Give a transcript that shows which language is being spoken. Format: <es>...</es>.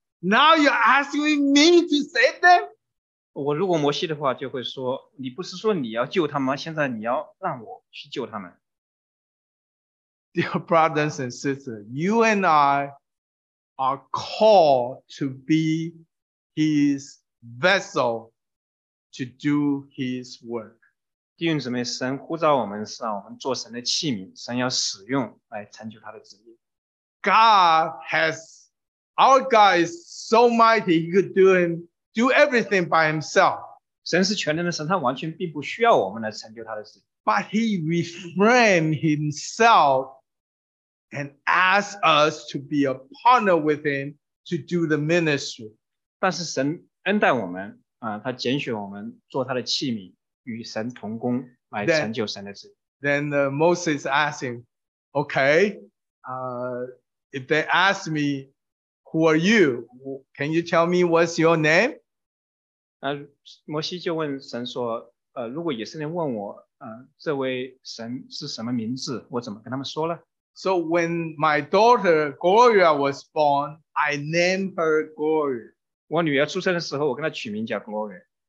<en>Now you're asking me to save them?</en> <zh>我如果摩西的话, 就会说, 你不是说你要救他们, 现在你要让我去救他们。</zh> <en>Dear brothers and sisters, you and I are called to be his vessel to do his work.</en> <zh>弟兄姊妹, 神呼召我们, 是让我们做神的器皿, 神要使用来成就他的旨意。</zh> <en>God has, our God is so mighty, he could do everything by himself.</en> <zh>神是全能的神, 他完全并不需要我们来成就他的旨意。</zh> <en>But he refrained himself and asked us to be a partner with him to do the ministry.</en> <zh>但是神恩待我们, 他拣选我们做他的器皿, 与神同工, 来成就神的旨意。</zh> <en>Then Moses asked him, okay, if they ask me, who are you? Can you tell me what's your name?</en> <zh>摩西就问神说, 如果以色列问我, 这位神是什么名字, 我怎么跟他们说了?</zh> <en>So when my daughter Gloria was born, I named her Gloria.</en> <zh>我女儿出生的时候, 我跟她取名叫Gloria。</zh>